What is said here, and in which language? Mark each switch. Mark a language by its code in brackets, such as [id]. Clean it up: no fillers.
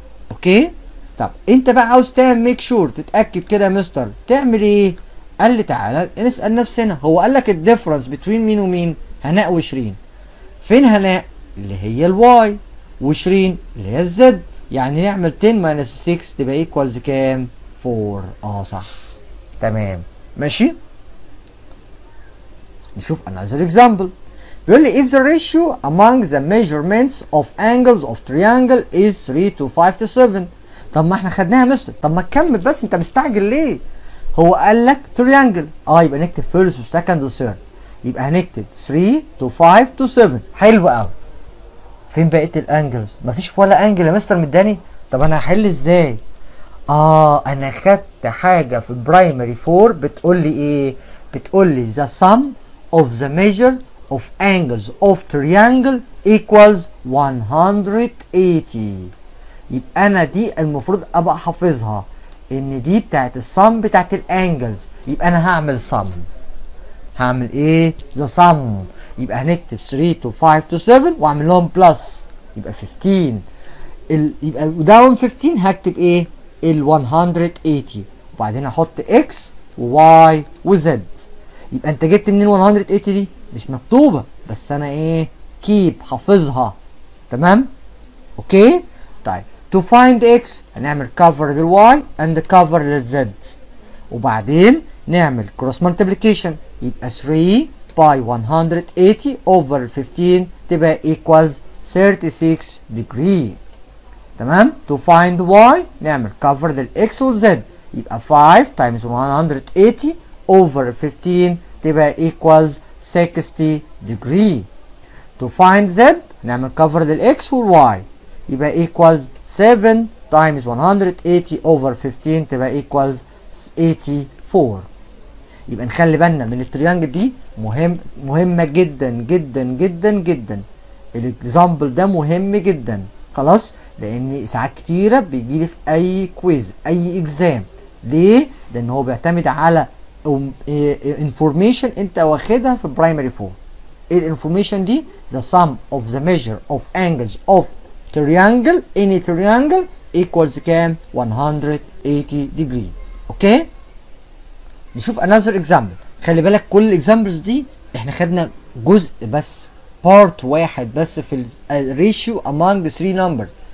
[ar] اوكي؟ طب انت بقى عاوز تعمل ميك شور، تتاكد كده يا مستر، تعمل ايه؟ قال لي تعالى نسال نفسنا، هو قال لك الديفرنس بتوين مين ومين؟ هناء وشرين. فين هناء؟ اللي هي الواي، وشرين اللي هي الزد. يعني نعمل 10 minus 6 تبقى equals كام؟ 4. اه صح، تمام ماشي. نشوف [en] another example. [ar] بيقول لي [en] if the ratio among the measurements of angles of triangle is 3 to 5 to 7. [ar] طب ما احنا خدناها مستر. طب ما تكمل بس، انت مستعجل ليه؟ هو قال لك triangle. اه يبقى نكتب first و second و third، يبقى هنكتب 3 to 5 to 7. حلو قوي. فين بقيت الانجلز؟ مفيش ولا انجل يا مستر مداني. طب انا هحل ازاي؟ اه انا خدت حاجه في البرايمري 4 بتقول لي ايه؟ بتقول لي [en] the sum of the measure of angles of triangle equals 180. [ar] يبقى انا دي المفروض ابقى حافظها، ان دي بتاعت السم بتاعت الانجلز. يبقى انا هعمل سم، هعمل ايه؟ [en] the sum. [ar] يبقى هنكتب 3 to 5 to 7 واعمل لهم بلس، يبقى 15. يبقى داون 15 هكتب ايه؟ ال 180. وبعدين احط x وy وz. يبقى انت جبت منين 180 دي؟ مش مكتوبه، بس انا ايه؟ كيب حافظها. [en] تمام؟ اوكي؟ طيب to find x هنعمل cover للy and cover للz، [ar] وبعدين نعمل [en] cross multiplication. يبقى 3 by 180 over 15 تبقى equals 36 degree. تمام؟ to find y نعمل cover لل x وال z، يبقى 5 times 180 over 15 تبقى equals 60 degree. to find z نعمل cover لل x وال y، يبقى equals 7 times 180 over 15 تبقى equals 84. [ar] يبقى نخلي بالنا من التريانجل دي، مهمة جدا جدا جدا جدا. الاكزامبل ده مهم جدا، خلاص، لان ساعات كتيرة بيجي لي في اي كويز اي اكزام. ليه؟ لان هو بيعتمد على انفورميشن انت واخدها في برايمري 4. [en] الانفورميشن [ar] دي [en] the sum of the measure of angles of triangle any triangle equals كام؟ 180 degree. [ar] اوكي؟ نشوف [en] another example. [ar] خلي بالك كل examples دي احنا خدنا جزء بس، part واحد بس في الratio [en] among the three numbers.